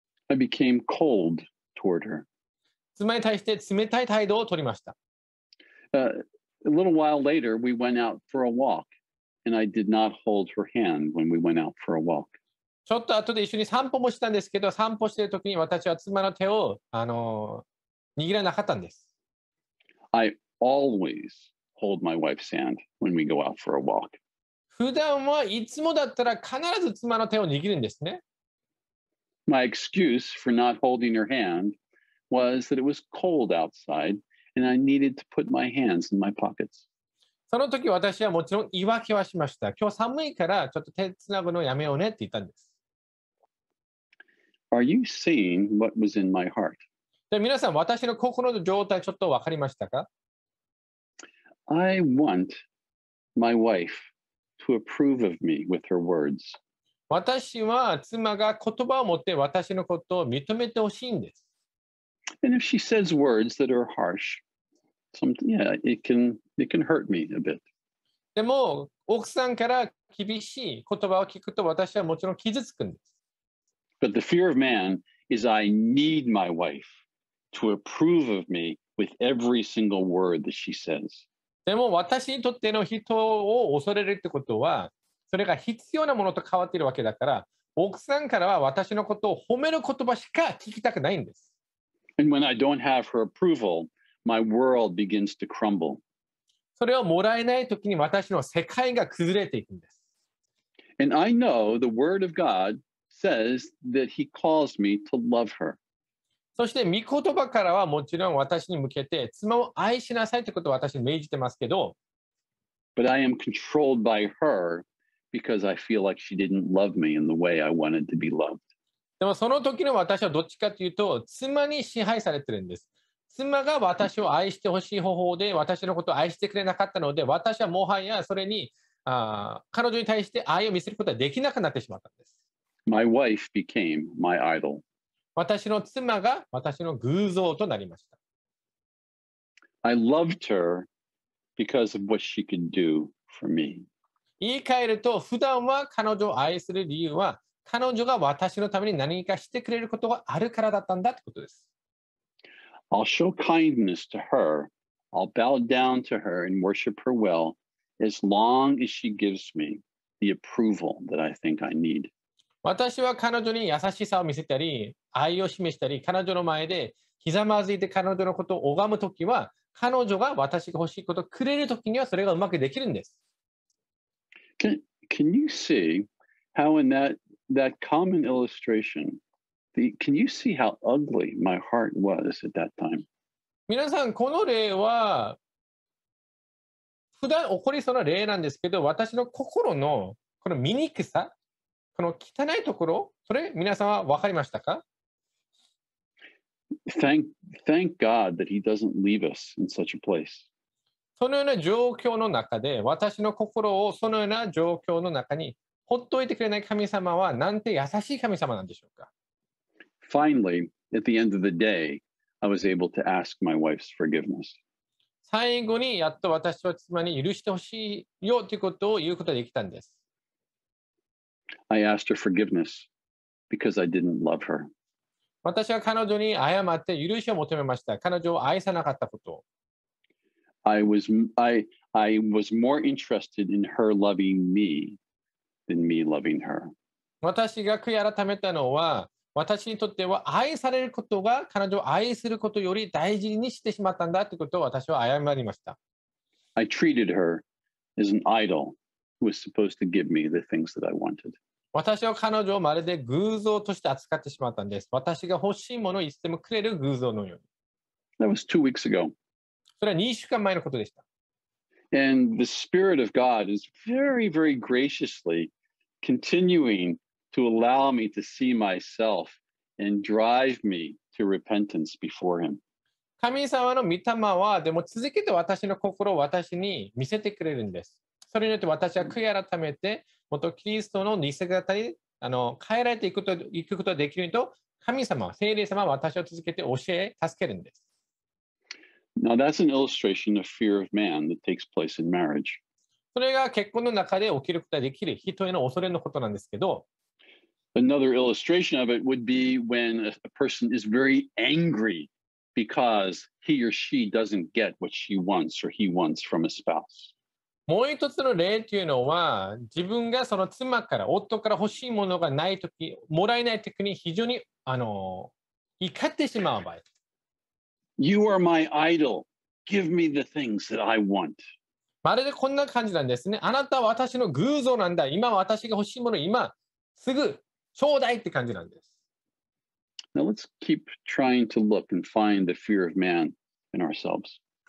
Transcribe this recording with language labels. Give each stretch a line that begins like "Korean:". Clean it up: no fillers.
English: I became cold toward her.
Japanese: 妻に対して冷たい態度を取りました。
English: A little while later, we went out for a walk, and I did not hold her hand when we went out for a walk.
Japanese: ちょっと後で一緒に散歩もしたんですけど、散歩している時に私は妻の手を握らなかったんです。
English: I always hold my wife's hand when we go out for a walk.
Japanese: 普段はいつもだったら必ず妻の手を握るんですね。
English: My excuse for not holding her hand was that it was cold outside and I needed to put my hands in my pockets.
Japanese: その時私はもちろん言い訳はしました。今日寒いからちょっと手つなぐのやめようねって言ったんです。
English: Are you seeing what was in my heart?
Japanese: じゃあ皆さん、私の心の状態ちょっと分かりましたか?
English: I want my wife to approve of me with her words.
Japanese: 私は妻が言葉を持って私のことを認めてほしいんです。
English: And if she says words that are harsh, something, yeah, it can hurt me a bit.
Japanese: でも、奥さんから厳しい言葉を聞くと私はもちろん傷つくんです。
English: But the fear of man is I need my wife to approve of me with every single word that she says.
Japanese: でも私にとっての人を恐れるってことは、それが必要なものと変わっているわけだから、奥さんからは私のことを褒める言葉しか聞きたくないんです。
English: And when I don't have her approval, my world begins to crumble.
Japanese: それをもらえないときに私の世界が崩れていくんです。
English: And I know the word of God says that he calls me to love her.
Japanese: そして御言葉からはもちろん私に向けて妻を愛しなさいということを私に命じてますけど。
English: But I am controlled by her because I feel like she didn't love me in the way I wanted to be loved.
Japanese: でもその時の私はどっちかというと妻に支配されてるんです。妻が私を愛してほしい方法で私のことを愛してくれなかったので私はもはやそれに彼女に対して愛を見せることはできなくなってしまったんです。
English: My wife became my idol.
Japanese: 私の妻が私の偶像となりました。
English: I loved her because of what she could do for me.
Japanese: 言い換えると、普段は彼女を愛する理由は、彼女が私のために何かしてくれることがあるからだったんだということです。
English: I'll show kindness to her. I'll bow down to her and worship her well as long as she gives me the approval that I think I need.
Japanese: 私は彼女に優しさを見せたり、愛を示したり、彼女の前でひざまずいて彼女のことを拝むときは、彼女が私が欲しいことをくれるときにはそれがうまくできるんです。
English: Can you see how in that common illustration, can you see how ugly my heart was at that time?
Japanese: 皆さん、この例は、普段起こりそうな例なんですけど、私の心のこの醜さ、この汚いところ、それ皆さんは分かりましたか?
English: Thank God that he doesn't leave us in such a place.
Japanese: そのような状況の中で、私の心をそのような状況の中に放っておいてくれない神様はなんて優しい神様なんでしょうか?
English: Finally, at the end of the day, I was able to ask my wife's forgiveness.
Japanese: 最後にやっと私は妻に許してほしいよということを言うことができたんです。
English: I asked her forgiveness because I didn't love her.
Japanese: 私は彼女に謝って許しを求めました。彼女を愛さなかったこと。
English: I was more interested in her loving me than me loving her.
Japanese: 私が悔い改めたのは、私にとっては愛されることが彼女を愛することより大事にしてしまったんだということを私は謝りました。
English: I treated her as an idol who was supposed to give me the things that I wanted.
Japanese: 私は彼女をまるで偶像として扱ってしまったんです。私が欲しいものをいつでもくれる偶像のように。
English: That was 2 weeks ago.
Japanese: それは2週間前のことでした。
English: And the Spirit of God is very, very graciously continuing to allow me to see myself and drive me to repentance before Him.
Japanese: 神様の御霊はでも続けて私の心を私に見せてくれるんです。それによって私は悔い改めて元キリストの偽方に変えられていくこと、いくことができると神様、聖霊様は私を続けて教え、助けるんです。
English: Now that's an illustration of fear of man that takes place in marriage.
Japanese: それが結婚の中で起きることができる人への恐れのことなんですけど。
English: Another illustration of it would be when a person is very angry because he or she doesn't get what she wants or he wants from a spouse.
Japanese: もう一つの例というのは、自分がその妻から、夫から欲しいものがないとき、もらえないときに非常に怒ってしまう場合。
English: You are my idol. Give me the things that I want.
Japanese: まるでこんな感じなんですね。あなたは私の偶像なんだ。今私が欲しいもの、今すぐちょうだいって感じなんです。
English: Now let's keep trying to look and find the fear of man in ourselves.